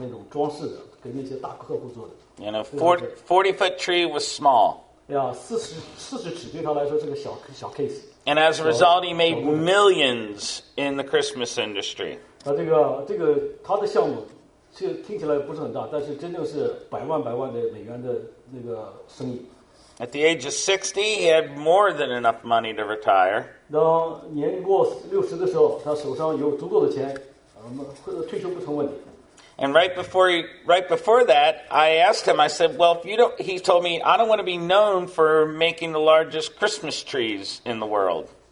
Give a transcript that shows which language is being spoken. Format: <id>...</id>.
<zh>那个杰夫，他主要的工作是做那个圣诞节的那种大大的那种装饰的，给那些大客户做的。</zh> <en>You know, 40-foot tree was small.</en> <zh>呀，40尺对他来说是个小 case.</zh> <en>And as a result, he made millions in the Christmas industry.</en> <zh>那这个他的项目。听起来不是很大，但是真的是百万美元的那个生意。</zh> <en>At the age of 60, he had more than enough money to retire.</en> <zh>当年过60的时候，他手上有足够的钱，退休不成问题。</zh> <en>And right before that, I asked him. I said, "Well, if you don't," he told me, "I don't want to be known for making the largest Christmas trees in the world."</en>